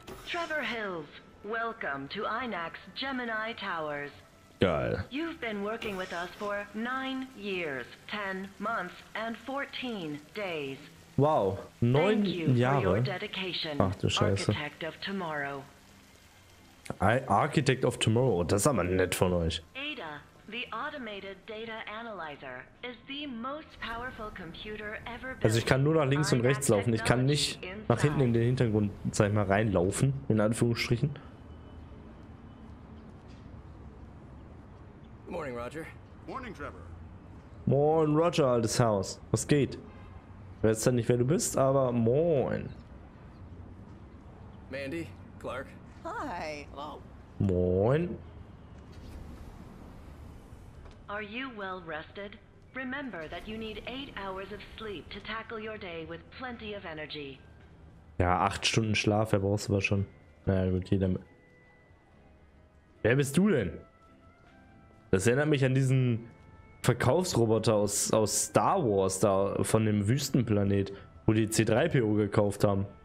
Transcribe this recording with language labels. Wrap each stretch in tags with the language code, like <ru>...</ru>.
<en>Trevor Hills, welcome to INAC's Gemini Towers.</en> <de>Geil.</de> <en>You've been working with us for 9 years, 10 months and 14 days.</en> <de>Wow, 9 Jahre.</de> <en>Thank you for your dedication.</en> <de>Ach du Scheiße.</de> <en>Architect of Tomorrow.</en> <de>Architect of Tomorrow, das ist aber nett von euch. Ada.</de> <en>The automated data analyzer is the most powerful computer ever built.</en> <de>Also ich kann nur nach links und rechts laufen. Ich kann nicht nach hinten in den Hintergrund, sag ich mal, reinlaufen, in Anführungsstrichen.</de> <en>Morning, Roger. Morning, Trevor.</en> <de>Moin, Roger, altes Haus. Was geht? Ich weiß zwar nicht, wer du bist, aber moin. Mandy, Clark.</de> <en>Hi. Hello.</en> <de>Moin.</de> <en>Are you well rested? Remember that you need 8 hours of sleep to tackle your day with plenty of energy.</en> <de>Ja, 8 Stunden Schlaf, wer brauchst du aber schon? Naja, gut, jeder. Wer bist du denn? Das erinnert mich an diesen Verkaufsroboter aus Star Wars da von dem Wüstenplanet, wo die C3PO gekauft haben.</de>